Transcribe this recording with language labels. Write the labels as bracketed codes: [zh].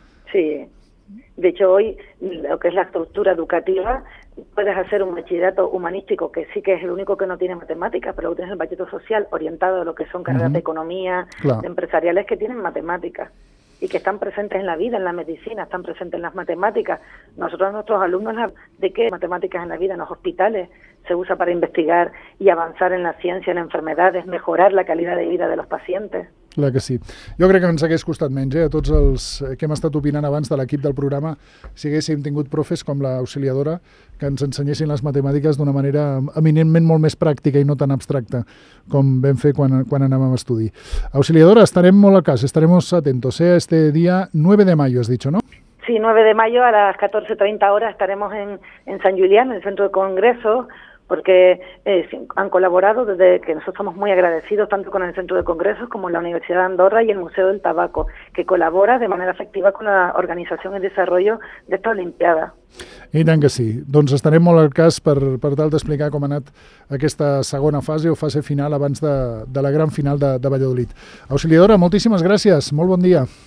[es] Sí, de hecho hoy lo que es la estructura educativa, puedes hacer un bachillerato humanístico, que sí que es el único que no tiene matemáticas, pero tienes el bachillerato social orientado a lo que son carreras de economía, claro, de empresariales, que tienen matemáticas y que están presentes en la vida, en la medicina, están presentes en las matemáticas. Nosotros, nuestros alumnos, ¿de qué matemáticas en la vida? En los hospitales se usa para investigar y avanzar en la ciencia, en enfermedades, mejorar la calidad de vida de los pacientes. [ca] Clar que sí. Jo crec que ens hagués costat menys, a tots els que hem estat opinant abans de l'equip del programa, si haguéssim tingut profes com l'auxiliadora que ens ensenyessin les matemàtiques d'una manera eminentment molt més pràctica i no tan abstracta com vam fer quan anàvem a estudi. [es] Auxiliadora, [ca] estarem molt a cas, [es] estarem atentos, a este dia 9 de mayo, has dicho, no? Sí, 9 de mayo a las 14:30 horas estaremos en San Julián, en el centro de congresos, porque han colaborado desde que nosotros somos muy agradecidos tanto con el Centro de Congresos como la Universidad de Andorra y el Museo del Tabaco, que colabora de manera efectiva con la organización y desarrollo de esta Olimpiada. [ca] I tant que sí. Doncs estarem molt al cas per tal d'explicar com ha anat aquesta segona fase o fase final abans de la gran final de Valladolid. Auxiliadora, moltíssimes gràcies. Molt bon dia.